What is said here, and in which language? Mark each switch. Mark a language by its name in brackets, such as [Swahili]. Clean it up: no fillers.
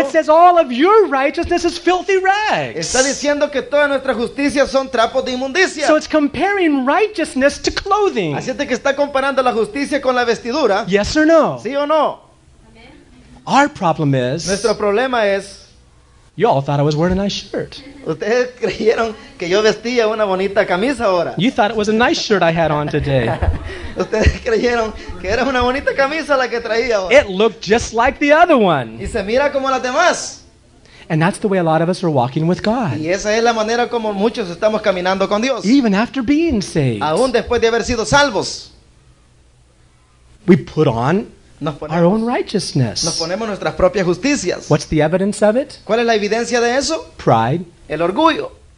[English] it says all of your righteousness is filthy rags. [Spanish] Está diciendo que toda nuestra justicia son trapos de inmundicia. [English] So it's comparing righteousness to clothing. [Spanish] Así es que está comparando la justicia con la vestidura. [English] Yes or no? [Spanish] ¿Sí o no? [English] Our problem is [Spanish] nuestro problema es [English] You all thought I was wearing a nice shirt. [Spanish] Ustedes creyeron que yo vestía una bonita camisa ahora. [English] You thought it was a nice shirt I had on today. [Spanish] Ustedes creyeron que era una bonita camisa la que traía ahora. [English] It looked just like the other one. [Spanish] Y se mira como las demás. [English] And that's the way a lot of us are walking with God. [Spanish] Y esa es la manera como muchos estamos caminando con Dios. [English] Even after being saved. [Spanish] Aún después de haber sido salvos. [English] We put on our own righteousness. [Spanish] Nos ponemos nuestras propias justicias. [English] What's the evidence of it? [Spanish] ¿Cuál es la evidencia de eso? [English] Pride. [Spanish] El orgullo.